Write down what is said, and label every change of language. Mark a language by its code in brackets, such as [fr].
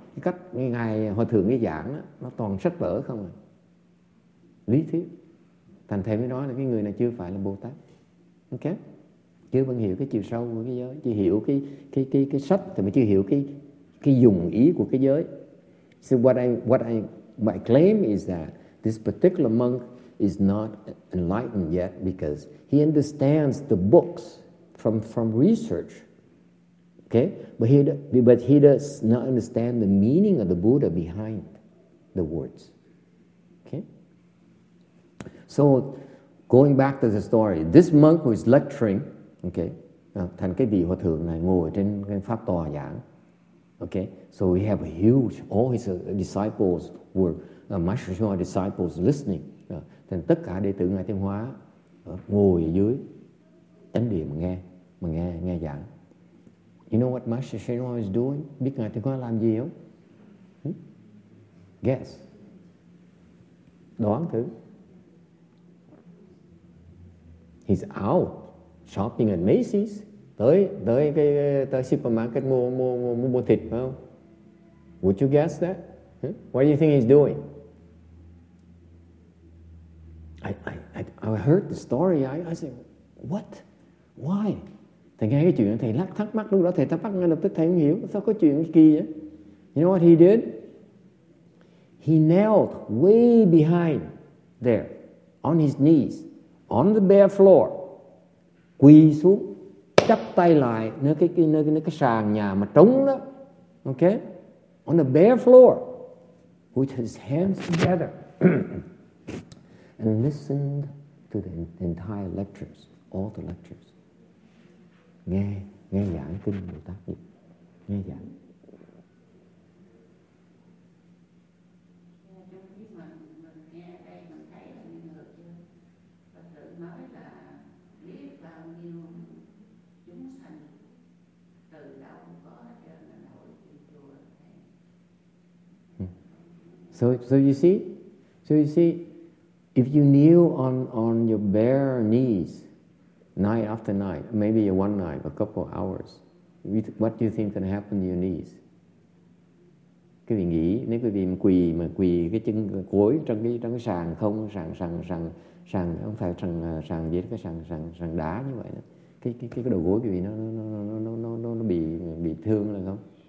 [vi] Cái cách ngài hòa thượng nó giảng đó, nó toàn sách vở không à, lý thuyết. Thành thầy mới nói là cái người này chưa phải là Bồ Tát. Ok. Chưa vẫn hiểu cái chiều sâu của cái giới. Chưa hiểu cái sách. Thì mà chưa hiểu cái dùng ý của cái giới. [en] So my claim is that this particular monk is not enlightened yet because he understands the books from research. Ok. But he does not understand the meaning of the Buddha behind the words. So, going back to the story, this monk who is lecturing, okay, [vi] thành cái vị hòa thượng này ngồi trên cái pháp tòa giảng, [en] okay. So we have a huge, all his disciples were Master Shen Hua disciples listening. [vi] Thành tất cả đệ tử ngài Tiên Hóa ngồi dưới chánh điện nghe giảng. [en] You know what Master Shen Hua is doing? [vi] Biết ngài Tiên Hóa làm gì không? Guess. Đoán thử. [en] He's out shopping at Macy's. [vi] Tới supermarket mua thịt, phải không? [en] Would you guess that? Huh? What do you think he's doing? I heard the story. I said, what? Why? [vi] Thầy nghe cái chuyện thầy lắc thắc mắc lúc đó thầy thắc mắc ngay lập tức thầy không hiểu sao có chuyện kỳ vậy. [en] You know what he did? He knelt way behind there on his knees. On the bare floor, [vi] quỳ xuống, chắp tay lại nơi cái sàn nhà mà trống đó, okay? [en] On the bare floor, with his hands together, and listened to the entire lectures, all the lectures. [vi] Nghe giảng kinh Bồ Tát vậy, nghe giảng. Nghe trong khi mà nghe đây mình thấy [en] So you see, if you kneel on your bare knees, night after night, maybe one night, a couple of hours, what do you think can happen to your knees? [vi] Cái vị nghĩ nếu quý vị quỳ mà quỳ cái chân gối trong cái sàn không sàn không phải sàn gì cái sàn đá như vậy đó. Cái đầu gối quý vị nó bị thương là không?